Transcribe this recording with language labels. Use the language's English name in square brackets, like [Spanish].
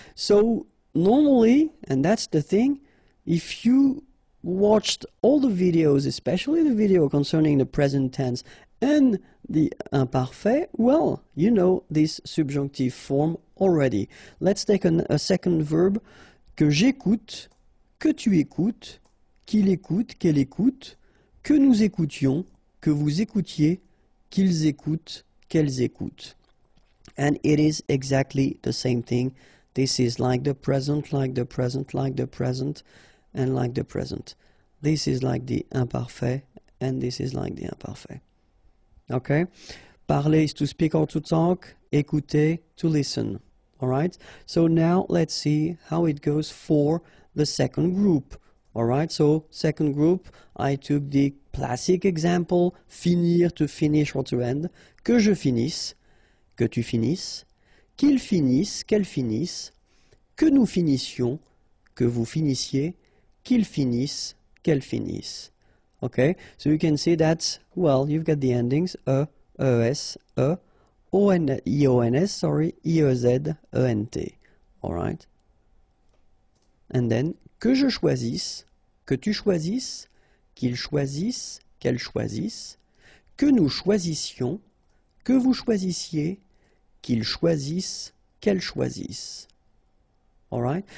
[English] So normally, and that's the thing, if you watched all the videos, especially the video concerning the present tense and the imparfait, well, you know this subjonctive form already. Let's take a second verb. [French] Que j'écoute, que tu écoutes, qu'il écoute, qu'elle écoute, que nous écoutions, que vous écoutiez, qu'ils écoutent, qu'elles écoutent. [English] And it is exactly the same thing. This is like the present, like the present, like the present, and like the present. This is like the imparfait, and this is like the imparfait. Okay? Parler is to speak or to talk. Écouter, to listen. All right? So now let's see how it goes for the second group. All right? So second group, I took the classic example, finir, to finish or to end. [French] Que je finisse, que tu finisses. Qu'ils finissent, qu'elles finissent, que nous finissions, que vous finissiez, qu'ils finissent, qu'elles finissent. [English] Okay, so you can see that, well, you've got the endings, E-O-N-S, E-O-Z-E-N-T. All right. And then, [French] que je choisisse, que tu choisisses, qu'ils choisissent, qu'elles choisissent, que nous choisissions, que vous choisissiez, qu'ils choisissent, qu'elles choisissent. [English] All right?